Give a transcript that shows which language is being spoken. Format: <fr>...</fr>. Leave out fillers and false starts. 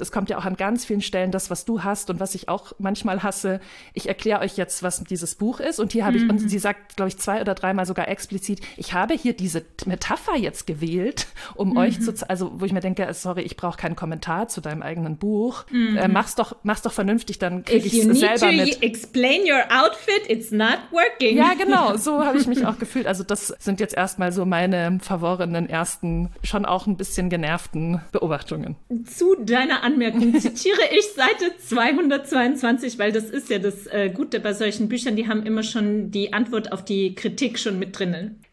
<de>Es kommt ja auch an ganz vielen Stellen das, was du hast und was ich auch manchmal hasse. Ich erkläre euch jetzt, was dieses Buch ist. Und hier habe ich, und sie sagt, glaube ich, 2 oder 3 Mal sogar explizit, ich habe hier diese Metapher jetzt gewählt, um euch zu, also wo ich mir denke, sorry, ich brauche keinen Kommentar zu deinem eigenen Buch. Mach's doch vernünftig, dann kriege ich es selber mit.</de> <en>If you need to explain your outfit, it's not working.</en> <de>Ja, genau, so habe ich mich auch gefühlt. Also das sind jetzt erstmal so meine verworrenen ersten, schon auch ein bisschen genervten Beobachtungen. Zu deiner Anmerkung zitiere ich Seite 222, weil das ist ja das Gute bei solchen Büchern, die haben immer schon die Antwort auf die Kritik schon mit drinnen.</de>